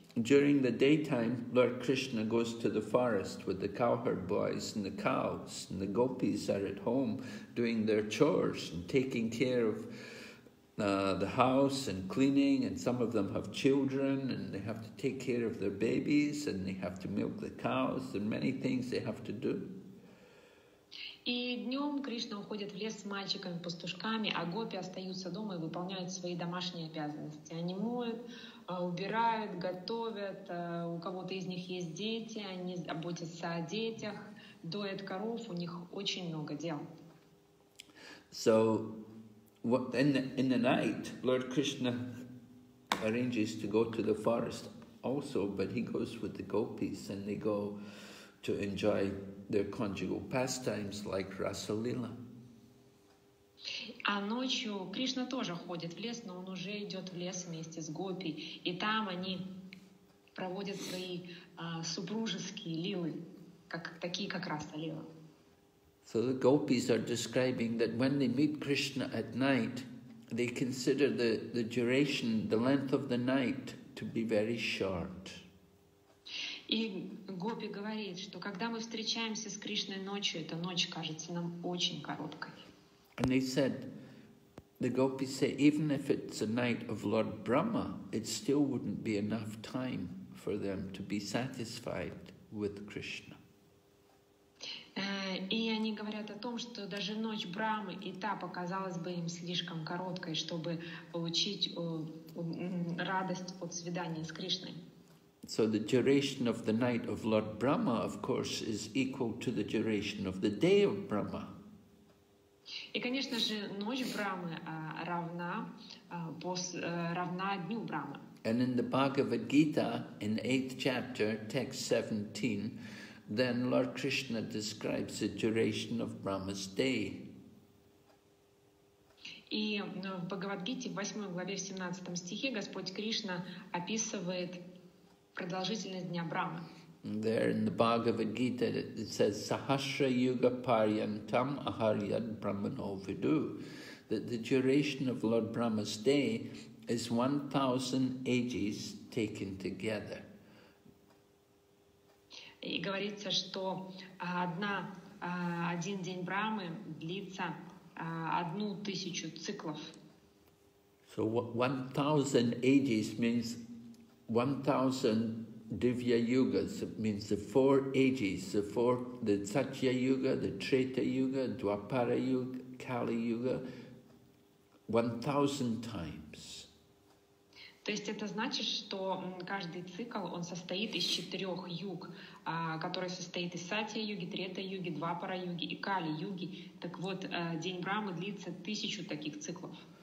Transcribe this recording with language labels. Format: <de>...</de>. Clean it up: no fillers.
<en>During the daytime, Lord Krishna goes to the forest with the cowherd boys and the cows, and the gopis are at home doing their chores and taking care of the house and cleaning, and some of them have children and they have to take care of their babies and they have to milk the cows and many things they have to do.</en> <ru>И днем Кришна уходит в лес с мальчиками-пастушками, а гопи остаются дома и выполняют свои домашние обязанности. Они моют, убирают, готовят, у кого-то из них есть дети, они заботятся о детях, доят коров, у них очень много дел.</ru> <en>So, in the night, Lord Krishna arranges to go to the forest also, but he goes with the gopis and they go to enjoy their conjugal pastimes like Rasa Lila.</en> <ru>А ночью Кришна тоже ходит в лес, но он уже идет в лес вместе с гопи, и там они проводят свои супружеские лилы, как такие как Раса Лила.</ru> <en>So the gopis are describing that when they meet Krishna at night, they consider the duration, the length of the night to be very short.</en> <ru>И гопи говорит, что когда мы встречаемся с Кришной ночью, эта ночь кажется нам очень короткой.</ru> <en>And they said, the gopis say, even if it's a night of Lord Brahma, it still wouldn't be enough time for them to be satisfied with Krishna.</en> <ru>И они говорят о том, что даже ночь Брахмы и та показалась бы им слишком короткой, чтобы получить радость от свидания с Кришной.</ru> <en>So the duration of the night of Lord Brahma, of course, is equal to the duration of the day of Brahma.</en> <ru>И, конечно же, ночь Брахмы равна равна дню Брахмы.</ru> <en>And in the Bhagavad Gita, in the 8th chapter, text 17, then Lord Krishna describes the duration of Brahma's day.</en> <ru>И в Бхагавад-гите, в 8 главе, в 17 стихе, Господь Кришна описывает продолжительность дня Брахмы.</ru> <en>There in the Bhagavad-gita it says,</en> <sa>Sahasra Yuga Paryantam Aharyad Brahmano Vidu,</sa> <en>that the duration of Lord Brahma's day is 1,000 ages taken together.</en> <ru>И говорится, что один день Брахмы длится одну тысячу циклов.</ru> <en>So 1,000 ages means 1,000 Divya Yugas. It means the four ages, the Satya Yuga, the Treta Yuga, Dwapara Yuga, Kali Yuga, 1,000 times.</en> <ru>То есть это значит, что каждый цикл, он состоит из четырех юг, который состоит из Сатья-юги, Трета-юги, Двапара-юги и Кали-юги. Так вот, день Брахмы длится тысячу таких циклов.</ru>